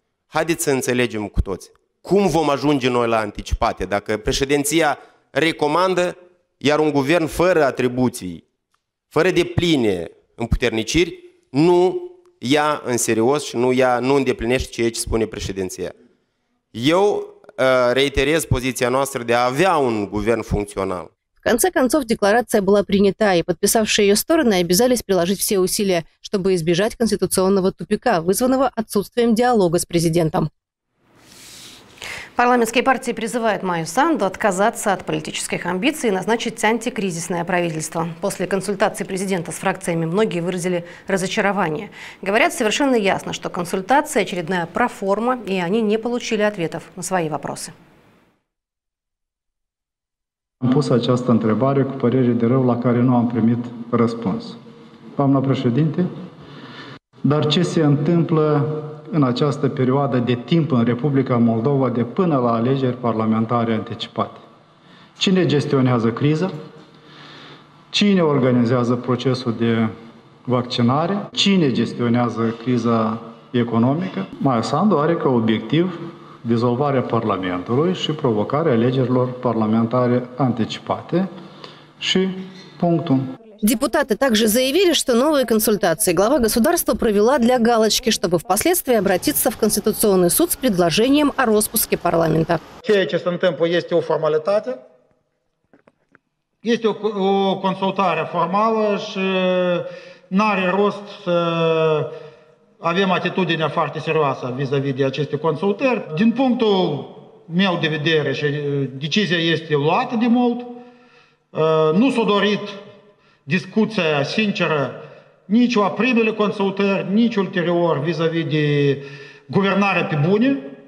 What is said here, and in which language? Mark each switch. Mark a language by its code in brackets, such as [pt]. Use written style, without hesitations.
[ro] Haideți să înțelegem cu toți. Cum vom ajunge noi la anticipate dacă președinția recomandă, iar un guvern fără atribuții, fără de pline împuterniciri, nu ia în serios și nu îndeplinește ceea ce spune președinția. Eu reiterez poziția noastră de a avea un guvern funcțional. [ru] В конце концов, декларация была принята, и подписавшие ее стороны обязались приложить все усилия, чтобы избежать конституционного тупика, вызванного отсутствием диалога с президентом. Парламентские партии призывают Майю Санду отказаться от политических амбиций и назначить антикризисное правительство. После консультации президента с фракциями многие выразили разочарование. Говорят, совершенно ясно, что консультация – очередная проформа, и они не получили ответов на свои вопросы. [ro] Am pus această întrebare cu părere de rău la care nu am primit răspuns. Doamna președinte, dar ce se întâmplă în această perioadă de timp în Republica Moldova de până la alegeri parlamentare anticipate? Cine gestionează criza? Cine organizează procesul de vaccinare? Cine gestionează criza economică? Maia Sandu are ca obiectiv dizolvarea Parlamentului și provocarea alegerilor parlamentare anticipate și punctul. [ru] Депутаты также заявили, что новые консультации глава государства провела для галочки, чтобы впоследствии обратиться в Конституционный суд с предложением о распуске парламента. [ro] Ceea ce se întâmplă este o formalitate. Este o consultare formală și n-are rost să avem atitudinea foarte serioasă vis-a-vis de aceste consultări. Din punctul meu de vedere, și decizia este luată de mult, nu s-a dorit discuția sinceră nici la primele consultări, nici ulterior vis-a-vis de guvernarea pe bune.